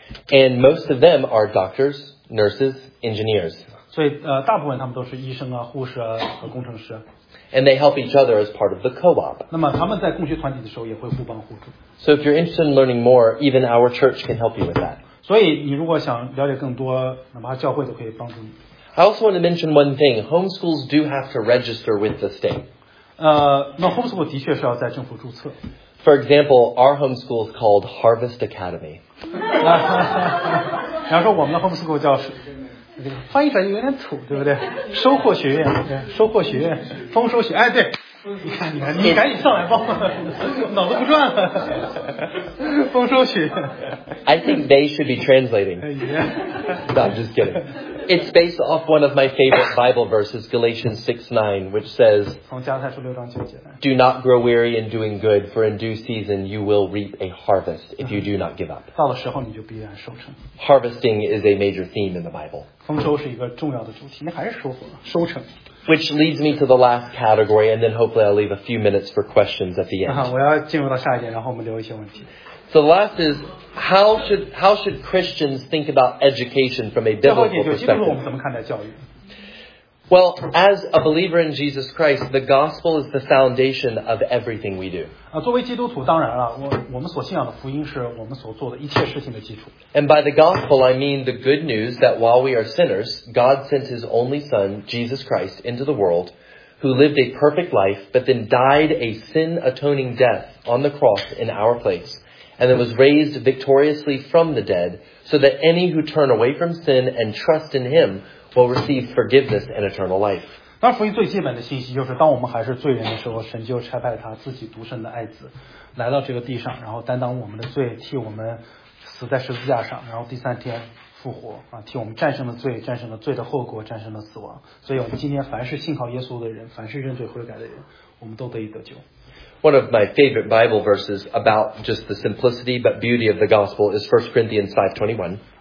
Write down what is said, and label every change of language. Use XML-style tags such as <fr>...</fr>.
<en>And most of them are doctors, nurses, engineers.</en> <zh>所以大部分他们都是医生啊、护士啊和工程师。</zh> <en>And they help each other as part of the co-op.</en> <zh>那么他们在共学团体的时候也会互帮互助。</zh> <en>So if you're interested in learning more, even our church can help you with that.</en> <zh>所以你如果想了解更多，哪怕教会都可以帮助你。</zh> <en>I also want to mention one thing. Homeschools do have to register with the state.</en> <zh>那 homeschool 的确是要在政府注册。</zh> <en>For example, our homeschool is called Harvest Academy.</en> <zh>比方说我们的 homeschool 叫翻译出来有点土，对不对？收获学院，收获学院，丰收学，哎，对，你看，你赶紧上来报，脑子不转了。丰收学院。</zh> <en>I think they should be translating. Yeah. No, I'm just kidding. It's based off one of my favorite Bible verses, Galatians 6:9, which says,</en> <zh>从加太书六章九节来。</zh> <en>Do not grow weary in doing good, for in due season you will reap a harvest if you do not give up.</en> <zh>到了时候你就必然收成。</zh> <en>Harvesting is a major theme in the Bible.</en> <zh>丰收是一个重要的主题，那还是收获，收成。</zh> <en>Which leads me to the last category, and then hopefully I'll leave a few minutes for questions at the end.</en> <zh>我要进入到下一点，然后我们留一些问题。</zh> <en>So the last is, how should Christians think about education from a biblical perspective? Well, as a believer in Jesus Christ, the gospel is the foundation of everything we do.</en> <zh>作为基督徒，当然了，我们所信仰的福音是我们所做的一切事情的基础。</zh> <en>And by the gospel, I mean the good news that while we are sinners, God sent his only son, Jesus Christ, into the world, who lived a perfect life, but then died a sin-atoning death on the cross in our place. and that was raised victoriously from the dead, so that any who turn away from sin and trust in him will receive forgiveness and eternal life.</en> <zh>那福音最基本的信息就是当我们还是罪人的时候，神就差派了他自己独生的爱子来到这个地上，然后担当我们的罪，替我们死在十字架上，然后第三天复活，替我们战胜了罪，战胜了罪的后果，战胜了死亡。所以我们今天凡是信靠耶稣的人，凡是认罪悔改的人，我们都得以得救。</zh> <en>One of my favorite Bible verses about just the simplicity but beauty of the gospel is 1 Corinthians 5:21.</en>